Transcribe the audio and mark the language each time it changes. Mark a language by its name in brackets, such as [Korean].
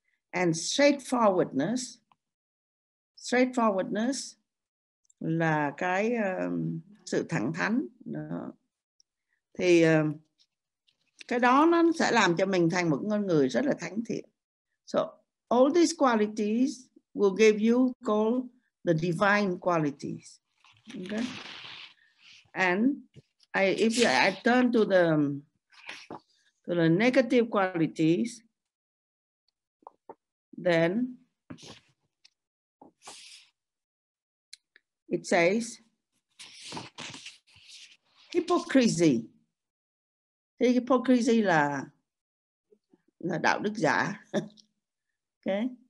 [English] And straightforwardness [Vietnamese] là cái sự thẳng thắn đó. Thì cái đó nó sẽ làm cho mình thành một con người rất là thánh thiện. [English] So all these qualities will give you called the divine qualities. Okay. And if I turn to the negative qualities, then it says hypocrisy. [Vietnamese] Thì hypocrisy là đạo đức giả. Okay.